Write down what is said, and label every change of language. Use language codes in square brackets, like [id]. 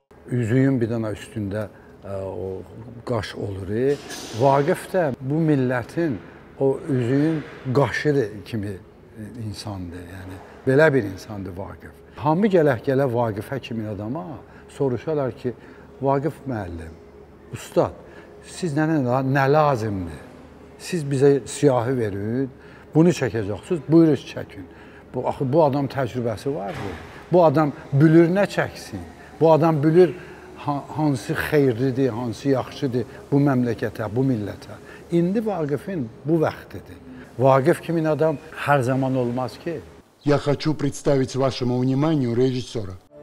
[az] Üzüğün bir dana üstündə o qaş olur. Vaqif də bu millətin o üzüğün qaşı kimi insandır. Yəni belə bir insandır Vaqif. Hamı gələ-gələ Vaqifə kimi adama soruşarlar ki, Vaqif müəllim, ustad, siz nə lazımdır? Siz bizə siyahı verin, bunu çəkəcəksiniz, buyurun çəkin. Bu adam təcrübəsi vardır. Bu adam bülür nə çəksin? Bu adam bilir hansı xeyirlidir, hansı yaxşıdır bu məmləkətə, bu millətə. İndi Vaqifin bu vaxtıdır. Vaqif kimin adam hər zaman olmaz ki. [ru] Я хочу представить вашему вниманию режиссёра.